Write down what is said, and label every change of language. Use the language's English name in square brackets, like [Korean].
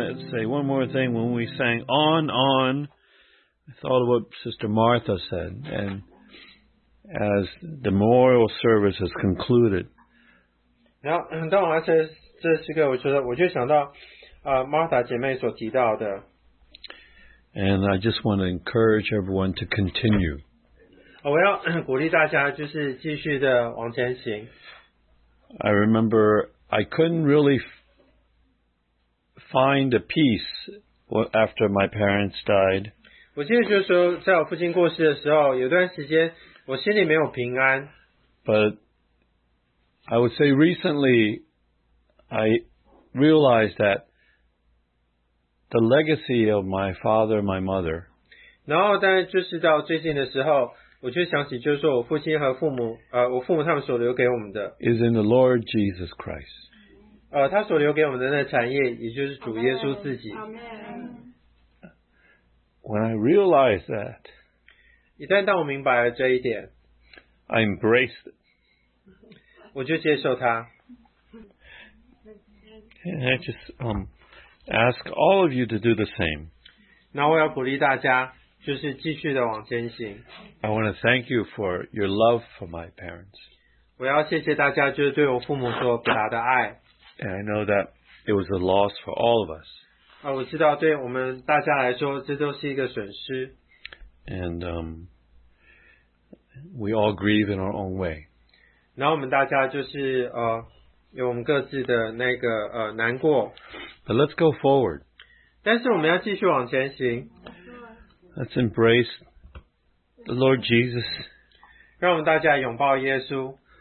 [English] Sang on, I thought of what Sister Martha said, and as the memorial service has concluded. [Chinese] Now, 当我来这时刻，我就想到，Martha姐妹所提到的。 [English] And I just want to encourage everyone to continue. [Chinese] 我要鼓励大家，就是继续的往前行。 [English] I remember I couldn't really find a peace. After my parents died, [Chinese] 我记得就是说，在我父亲过世的时候，有段时间我心里没有平安。 [English] But I would say recently, I realized that the legacy of my father and my mother. [Chinese] 然后当然就是到最近的时候，我就想起就是说我父亲和父母，我父母他们所留给我们的 [English] is in the Lord Jesus Christ， [Chinese] 他所留给我们的那产业也就是主耶稣自己。 [English] When I realize that， [Chinese] 一旦当我明白了这一点， [English] I embrace it， [Chinese] 我就接受它。 [English] And I just ask all of you to do the same. [Chinese] 那我要鼓励大家，就是继续的往前行。 [English] I want to thank you for your love for my parents. [Chinese] 我要谢谢大家，就是对我父母所表达的爱。 [English] And I know that it was a loss for all of us. [Chinese] 我知道对我们大家来说，这都是一个损失。 [English] And we all grieve in our own way. [Chinese] 然后我们大家就是有我们各自的那个难过。 [English] But let's go forward. [Chinese] 但是我们要继续往前行。 [English] Let's embrace the Lord Jesus. [Chinese] 让我们大家拥抱耶稣。